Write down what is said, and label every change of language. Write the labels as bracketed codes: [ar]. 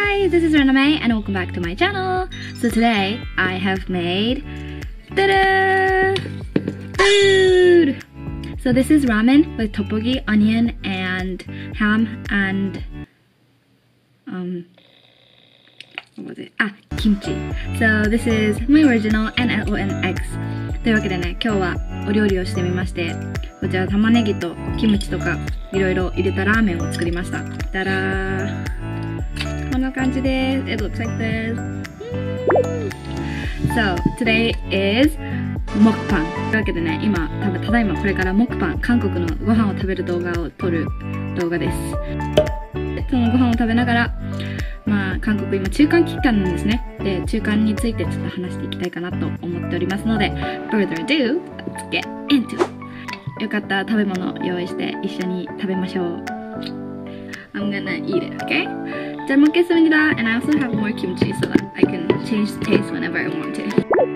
[en] this is Rena May and welcome back to my channel. So today I have made food. So this is ramen with tteokbokki, onion and ham and what was it? Ah, kimchi. So this is my original and LONX. [ja] というわけでね、今日はお料理をしてみまして、こちら玉ねぎとキムチとかいろいろ入れたラーメンを作りました。たらー。こんな感じです。 [en] It looks like this. So, today is モクパン。 [ja] というわけでね、今、ただいまこれからモクパン、韓国のご飯を食べる動画を撮る動画です。そのご飯を食べながら、まあ、韓国今中間期間なんですね。で、中間についてちょっと話していきたいかなと思っておりますので、 [en] further ado, let's get into it. [ja] よかったら食べ物用意して一緒に食べましょう。 [en] I'm gonna eat it, okay? [ko] 잘먹겠습니다 [en] And I also have more kimchi so that I can change the taste whenever I want to.